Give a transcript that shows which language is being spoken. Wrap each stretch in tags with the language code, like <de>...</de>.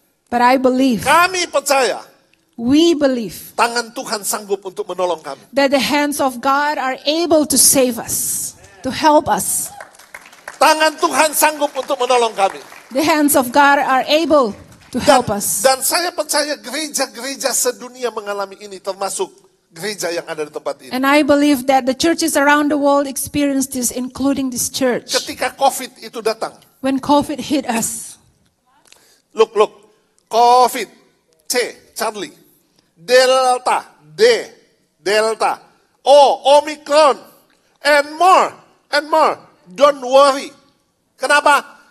<en>But I believe.</en> <id>Kami percaya.</id> <en>We believe.</en> <id>Tangan Tuhan sanggup untuk menolong kami.</id> <en>That the hands of God are able to save us, to help us.</en> <id>Tangan Tuhan sanggup untuk menolong kami.</id> <en>The hands of God are able to help us.</en> <id>Dan saya percaya gereja-gereja sedunia mengalami ini, termasuk gereja yang ada di tempat ini.</id> <en>And I believe that the churches around the world experienced this, including this church.</en> <id>Ketika COVID itu datang.</id> <en>When COVID hit us. Look. COVID, C, Charlie. Delta, D, Delta. O, Omicron. And more. Don't worry.</en> <id>Kenapa?</id>